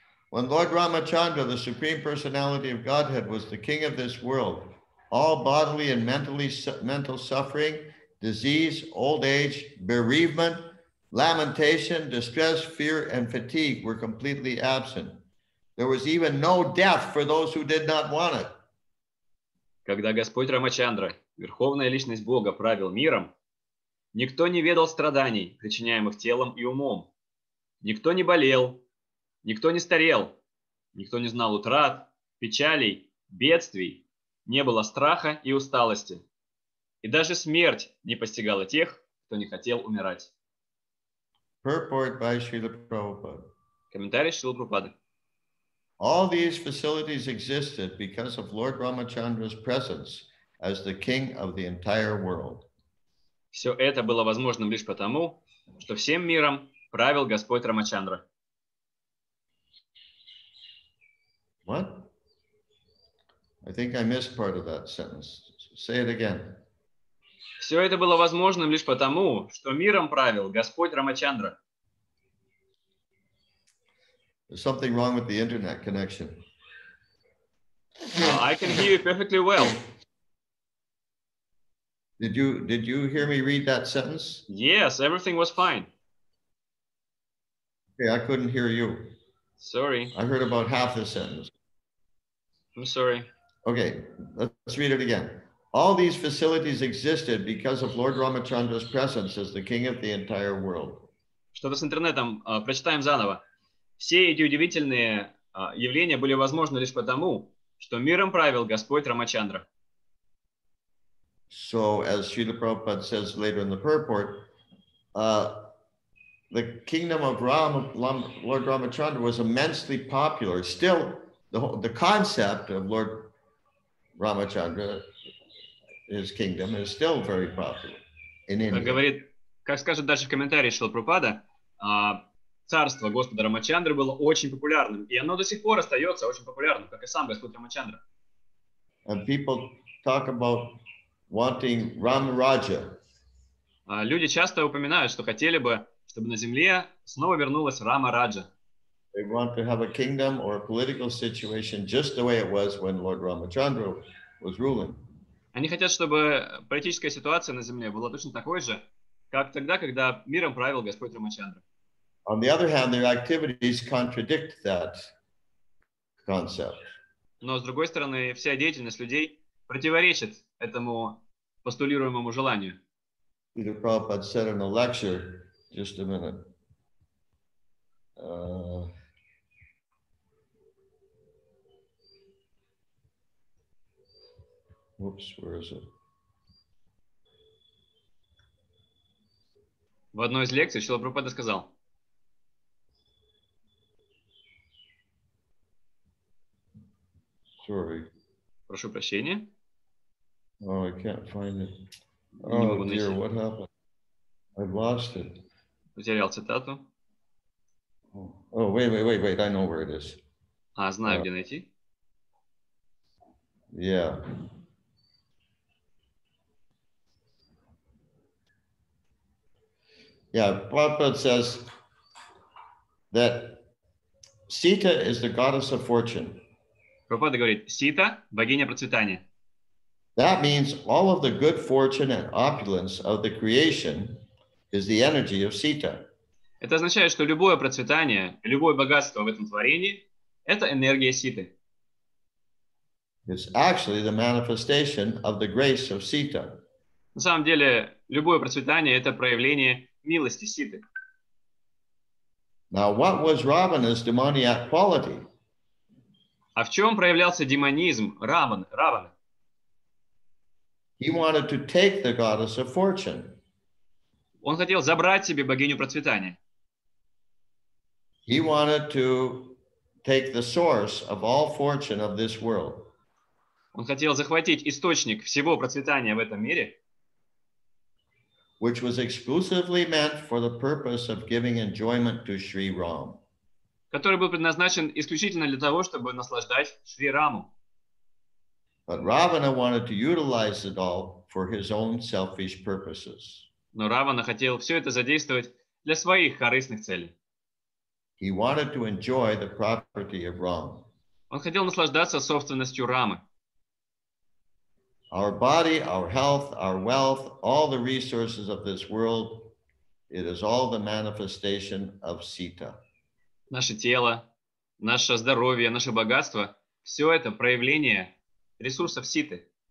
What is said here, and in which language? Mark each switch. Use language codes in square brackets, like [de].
[en] When Lord Ramachandra, the Supreme Personality of Godhead, was the king of this world, all bodily and mental suffering, disease, old age, bereavement, lamentation, distress, fear, and fatigue were completely absent. There was even no death for those who did not want it. [ru] Когда Господь Рамачандра, Верховная Личность Бога, правил миром, никто не ведал страданий, причиняемых телом и умом. Никто не болел, никто не старел, никто не знал утрат, печалей, бедствий. Не было страха и усталости. И даже смерть не постигала тех, кто не хотел умирать. [en] Purport by Srila Prabhupada. [ru] Комментарий Шрилы Прабхупады. [en] All these facilities existed because of Lord Ramachandra's presence as the king of the entire world. [ru] Все это было возможным лишь потому, что всем миром правил Господь Рамачандра. [en] What? I think I missed part of that sentence. Say it again. [ru] Все это было возможным лишь потому, что миром правил Господь Рамачандра. [en] There's something wrong with the internet connection. I can hear you perfectly well. Did you hear me read that sentence? Yes, everything was fine. Okay, I couldn't hear you. Sorry. I heard about half the sentence. I'm sorry. Okay, let's read it again. All these facilities existed because of Lord Ramachandra's presence as the king of the entire world. [ru] Что-то с интернетом. Прочитаем заново. Все эти удивительные явления были возможны лишь потому, что миром правил Господь Рамачандра. [en] So, as Srila Prabhupada says later in the purport, the kingdom of Lord Ramachandra was immensely popular. Still, the concept of Lord Ramachandra, his kingdom, is still very popular in India. [ru] Говорит, как скажет дальше в комментарии Шрила Прабхупада, царство Господа Рамачандры было очень популярным, и оно до сих пор остается очень популярным, как и сам Господь Рамачандра. [en] And people talk about wanting Ram-Raja. [ru] Люди часто упоминают, что хотели бы, чтобы на земле снова вернулась Рама-Раджа. [en] They want to have a kingdom or a political situation just the way it was when Lord Ramachandra was ruling. [ru] Они хотят, чтобы политическая ситуация на земле была точно такой же, как тогда, когда миром правил Господь Рамачандра. [en] On the other hand, their activities contradict that concept. [ru] Но с другой стороны, вся деятельность людей противоречит этому постулируемому желанию. [en] Srila Prabhupada said in a lecture, just a minute. Whoops, where is it? [ru] В одной из лекций Шрила Прабхупада сказал. [en] Sorry. [ru] Прошу прощения. [en] Oh, I can't find it. Oh, dear, what happened? I've lost it. [ru] Потерял цитату. [en] Oh, wait, I know where it is. [ru] А, знаю, где найти. [en] Yeah. Yeah, Prabhupada says that Sita is the goddess of fortune. [ru] Прабхупада говорит, Сита – богиня процветания. [en] That means all of the good fortune and opulence of the creation is the energy of Sita. [ru] Это означает, что любое процветание, любое богатство в этом творении – это энергия Ситы. [en] It's actually the manifestation of the grace of Sita. [ru] На самом деле, любое процветание – это проявление милости Ситы. [en] Now, what was Ravana's demoniac quality? [ru] А в чем проявлялся демонизм Равана? [en] He wanted to take the goddess of fortune. [ru] Он хотел забрать себе богиню процветания. [en] He wanted to take the source of all fortune of this world. [ru] Он хотел захватить источник всего процветания в этом мире. [en] Which was exclusively meant for the purpose of giving enjoyment to Sri Ram. [ru] Который был предназначен исключительно для того, чтобы наслаждать Шри Раму. [en] But Ravana wanted to utilize it all for his own selfish purposes. [ru] Но Равана хотел все это задействовать для своих корыстных целей. [en] He wanted to enjoy the property of Ram. [ru] Он хотел наслаждаться собственностью Рамы. [en] Our body, our health, our wealth, all the resources of this world, it is all the manifestation of Sita. [ru] Наше тело, наше здоровье, наше богатство – все это проявление ресурсов Ситы.